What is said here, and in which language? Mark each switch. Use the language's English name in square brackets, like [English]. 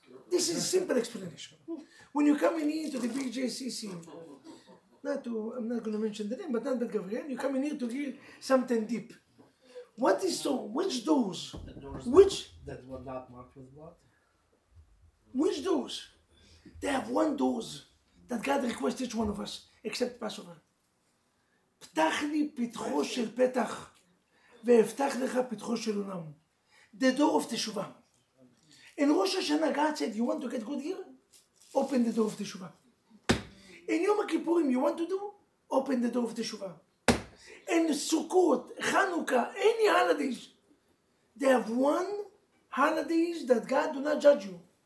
[English] This is a simple explanation. When you're coming into the BJCC, I'm not going to mention the name, but not the Gabriel, you're coming here to hear something deep. What is so? Which doors? The doors which, that were not marked with what? Which doors? They have one doors that God requests each one of us, except Passover. [Hebrew] פתח לי פתחו של פתח ואפתח לך פתחו של עולם. [English] The door of teshuva. In Rosh Hashanah, God said, you want to get good here? Open the door of teshuva. In Yom HaKippurim, you want to do? Open the door of teshuva. In Sukkot, Chanukah, any holidays, they have one holidays that God do not judge you.